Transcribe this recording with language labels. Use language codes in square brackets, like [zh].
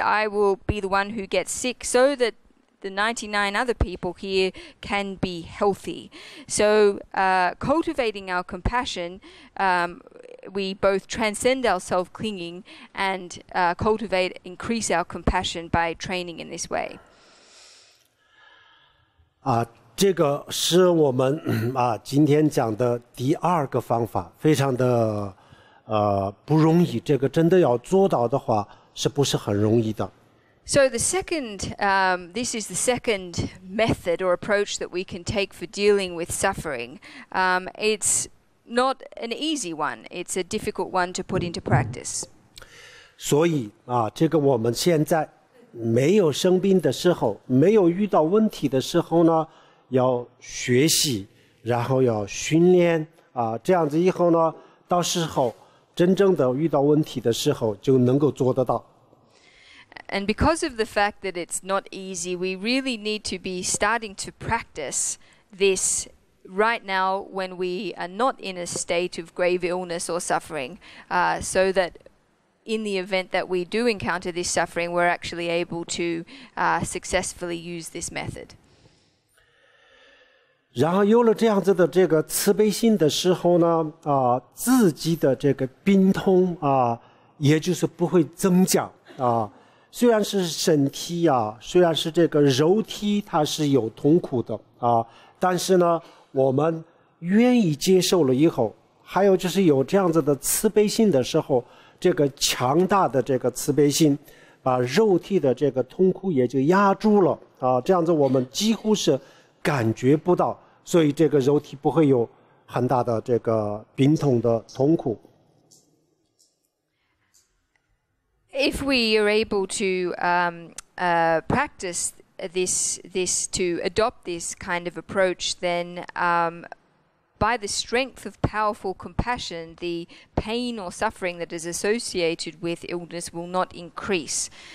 [en] I will be the one who gets sick so that the 99 other people here can be healthy. So cultivating our compassion, we both transcend our self-clinging and cultivate, increase our compassion by training in this way. [zh] 啊，这个是我们啊今天讲的第二个方法，非常的不容易。这个真的要做到的话，是不是很容易的？ [en] So the second, this is the second method or approach that we can take for dealing with suffering. It's not an easy one. It's a difficult one to put into practice. [zh] 所以啊，这个我们现在。没有生病的时候，没有遇到问题的时候呢，要学习，然后要训练啊，这样子以后呢，到时候真正的遇到问题的时候，就能够做得到。 [en] And because of the fact that it's not easy, we really need to be starting to practice this right now when we are not in a state of grave illness or suffering, so that. In the event that we do encounter this suffering, we're actually able to successfully use this method. [zh] 然后有了这样子的这个慈悲心的时候呢，啊，自己的这个病痛啊，也就是不会增加啊。虽然是身体啊，虽然是这个肉体，它是有痛苦的啊，但是呢，我们愿意接受了以后，还有就是有这样子的慈悲心的时候。这个强大的这个慈悲心，把肉体的这个痛苦也就压住了啊，这样子我们几乎是感觉不到，所以这个肉体不会有很大的这个病痛的痛苦。 [en] If we are able to practice this to adopt this kind of approach, then By the strength of powerful compassion, the pain or suffering that is associated with illness will not increase.